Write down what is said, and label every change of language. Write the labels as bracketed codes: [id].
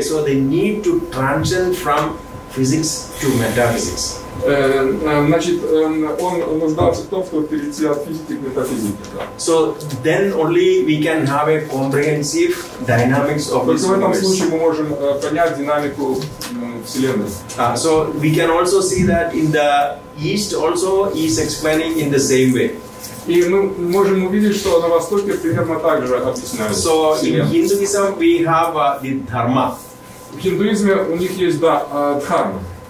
[en] So the need to transcend from physics to metaphysics. [ru] Значит, он нуждался в том, чтобы перейти от физики к метафизике. [en] So then only we can have a comprehensive dynamics of this universe. [ru] Только в этом случае мы можем понять динамику Вселенной. [en] So we can also see that in the East also he is explaining in the same way. [ru] И мы можем увидеть, что на Востоке примерно так же объясняют. [en] So in Hinduism we have the dharma. [ru] В индуизме у них есть дхарма.